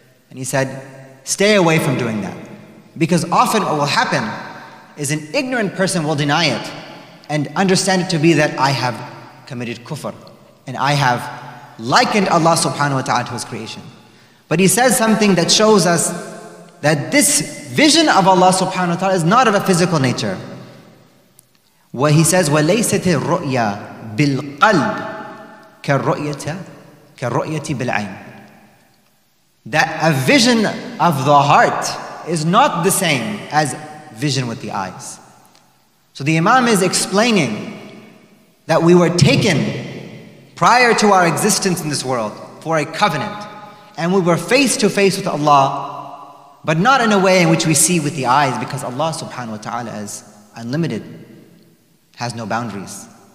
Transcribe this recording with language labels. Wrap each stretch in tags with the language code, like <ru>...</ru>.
<en>And he said, stay away from doing that. Because often what will happen is an ignorant person will deny it and understand it to be that I have committed kufr and I have likened Allah subhanahu wa ta'ala to his creation. But he says something that shows us that this vision of Allah subhanahu wa ta'ala is not of a physical nature.</en> <ar>Where he says, وَلَيْسَتِ الرُّؤْيَا بِالْقَلْبِ كَالرُّؤْيَةِ بِالْعَيْنِ,</ar> <en>that a vision of the heart is not the same as vision with the eyes. So the Imam is explaining that we were taken prior to our existence in this world for a covenant, and we were face to face with Allah, but not in a way in which we see with the eyes, because Allah subhanahu wa ta'ala is unlimited, has no boundaries.</en>